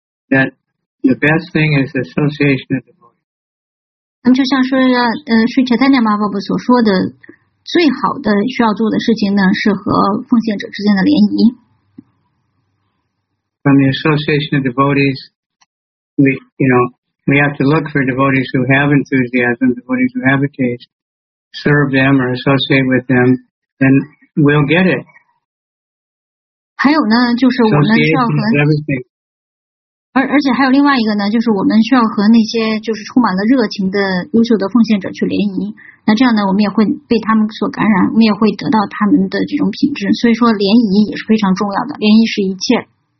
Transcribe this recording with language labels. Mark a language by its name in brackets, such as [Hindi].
[English] That the best thing is association of the devotees. [Chinese] 那么就像说Sri Chaitanya Mahaprabhu 所说的。最好的需要做的事情呢，是和奉献者之间的联谊。 [English] From the association of devotees, we have to look for devotees who have enthusiasm, devotees who have a taste, serve them or associate with them, and we'll get it. [Chinese] 还有呢，就是我们需要和。而且还有另外一个呢，就是我们需要和那些就是充满了热情的优秀的奉献者去联谊。那这样呢，我们也会被他们所感染，我们也会得到他们的这种品质。所以说，联谊也是非常重要的，联谊是一切。